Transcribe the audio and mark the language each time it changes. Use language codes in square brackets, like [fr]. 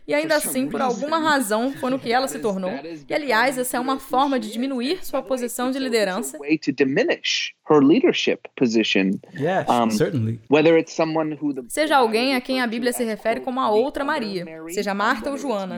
[pt] E ainda assim, por alguma razão, foi no que ela se tornou. E aliás, essa é uma forma de diminuir sua posição de liderança. [en] Way to diminish her leadership position. Yes, certainly. Whether it's someone who the... [pt] Seja alguém a quem a Bíblia se refere como a outra Maria, seja Marta ou Joana.